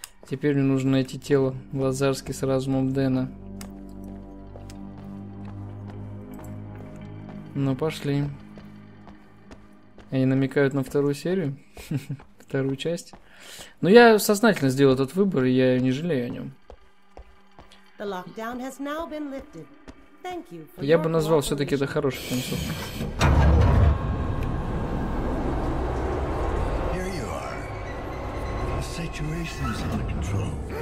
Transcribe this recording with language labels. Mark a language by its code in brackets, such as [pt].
[ru] Теперь мне нужно найти тело Лазарски с разумом Дэна. Ну, пошли. Они намекают на вторую серию, вторую часть. Но я сознательно сделал этот выбор, и я не жалею о нем. [en] The lockdown has now been lifted. [ru] Я бы назвал все-таки это хорошей концовкой.